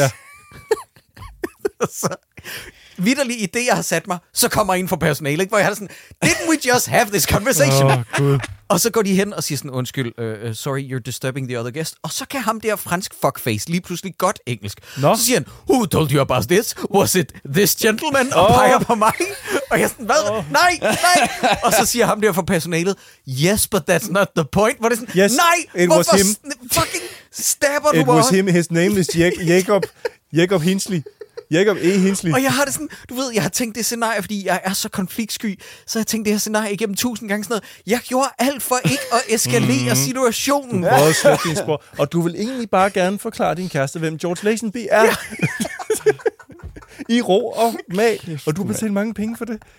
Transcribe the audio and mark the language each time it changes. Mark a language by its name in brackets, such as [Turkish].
[Danish] Ja. Så vitterlig idé, jeg har sat mig, så kommer ind for personale, ikke? Hvor jeg har sådan, [English] didn't we just have this conversation? [Danish] Og så går de hen og siger sådan, undskyld, [English] sorry, you're disturbing the other guest. [Danish] Og så kan ham der fransk fuckface lige pludselig godt engelsk. [English] No. [Danish] Så siger han, [English] who told you about this? [Danish] Was it this gentleman? Og peger på mig. Og jeg er sådan, hvad? Oh. Nej, nej. Og så siger ham der for personalet, [English] yes, but that's not the point. [Danish] Hvor det sådan, [English] yes, [Danish] nej, [English] it [Danish] hvorfor [English] was him. Fucking stabber it [Danish] du mig? [English] It was him, his name is Jacob Hinsley. Jacob E. Hinsley. [Danish] Og jeg har det sådan, du ved, jeg har tænkt det scenarie, fordi jeg er så konfliktsky, så jeg tænkte det her scenarie igennem 1000 gange sådan noget. Jeg gjorde alt for ikke at eskalere situationen. Du prøvede at slukke din spor, og du vil egentlig bare gerne forklare din kæreste, hvem George Lazenby er. Ja. I ro og mag, og du betaler mange penge for det.